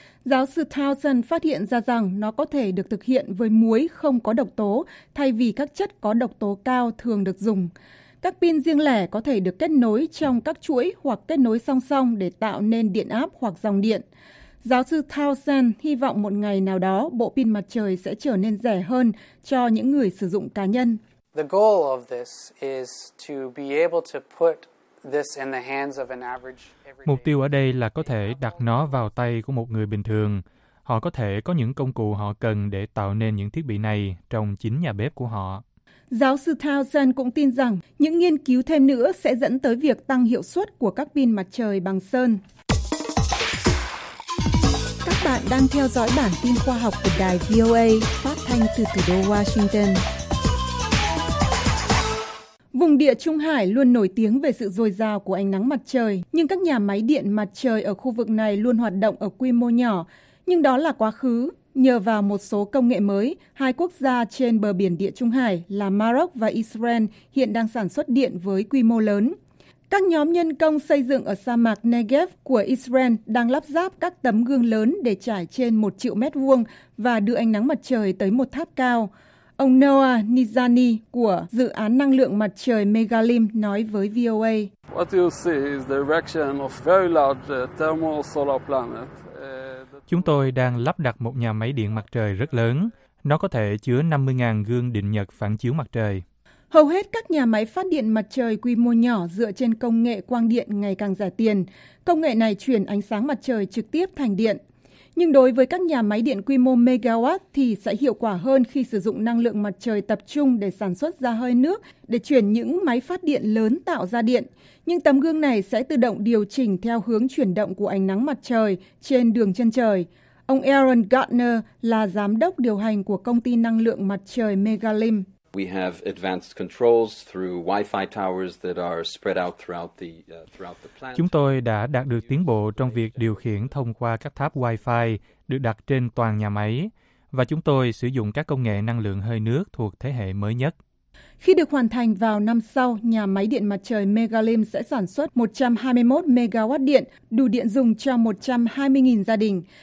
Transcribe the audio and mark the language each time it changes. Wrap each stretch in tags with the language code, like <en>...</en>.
<vi>Giáo sư Towson phát hiện ra rằng nó có thể được thực hiện với muối không có độc tố thay vì các chất có độc tố cao thường được dùng. Các pin riêng lẻ có thể được kết nối trong các chuỗi hoặc kết nối song song để tạo nên điện áp hoặc dòng điện. Giáo sư Towson hy vọng một ngày nào đó bộ pin mặt trời sẽ trở nên rẻ hơn cho những người sử dụng cá nhân.</vi> <en>The goal of this is to be able to put this in the hands of an average.</en> <vi>Mục tiêu ở đây là có thể đặt nó vào tay của một người bình thường. Họ có thể có những công cụ họ cần để tạo nên những thiết bị này trong chính nhà bếp của họ. Giáo sư Townsend cũng tin rằng những nghiên cứu thêm nữa sẽ dẫn tới việc tăng hiệu suất của các pin mặt trời bằng sơn. Các bạn đang theo dõi bản tin khoa học của đài VOA phát thanh từ thủ đô Washington. Vùng địa Trung Hải luôn nổi tiếng về sự dồi dào của ánh nắng mặt trời, nhưng các nhà máy điện mặt trời ở khu vực này luôn hoạt động ở quy mô nhỏ. Nhưng đó là quá khứ. Nhờ vào một số công nghệ mới, hai quốc gia trên bờ biển địa Trung Hải là Maroc và Israel hiện đang sản xuất điện với quy mô lớn. Các nhóm nhân công xây dựng ở sa mạc Negev của Israel đang lắp ráp các tấm gương lớn để trải trên 1 triệu mét vuông và đưa ánh nắng mặt trời tới một tháp cao. Ông Noah Nizani của dự án năng lượng mặt trời Megalim nói với VOA.</vi> <en>What you see is the erection of very large thermal solar planet.</en> <vi>Chúng tôi đang lắp đặt một nhà máy điện mặt trời rất lớn. Nó có thể chứa 50.000 gương định nhật phản chiếu mặt trời. Hầu hết các nhà máy phát điện mặt trời quy mô nhỏ dựa trên công nghệ quang điện ngày càng rẻ tiền. Công nghệ này chuyển ánh sáng mặt trời trực tiếp thành điện. Nhưng đối với các nhà máy điện quy mô megawatt thì sẽ hiệu quả hơn khi sử dụng năng lượng mặt trời tập trung để sản xuất ra hơi nước, để chuyển những máy phát điện lớn tạo ra điện. Những tấm gương này sẽ tự động điều chỉnh theo hướng chuyển động của ánh nắng mặt trời trên đường chân trời. Ông Aaron Gardner là giám đốc điều hành của công ty năng lượng mặt trời Megalim.</vi> <en>We have advanced controls through Wi-Fi towers that are spread out throughout the plant.</en> <vi>Chúng tôi đã đạt được tiến bộ trong việc điều khiển thông qua các tháp Wi-Fi được đặt trên toàn nhà máy, và chúng tôi sử dụng các công nghệ năng lượng hơi nước thuộc thế hệ mới nhất. Khi được hoàn thành vào năm sau, nhà máy điện mặt trời Megalim sẽ sản xuất 121 MW điện, đủ điện dùng cho 120.000 gia đình.</vi>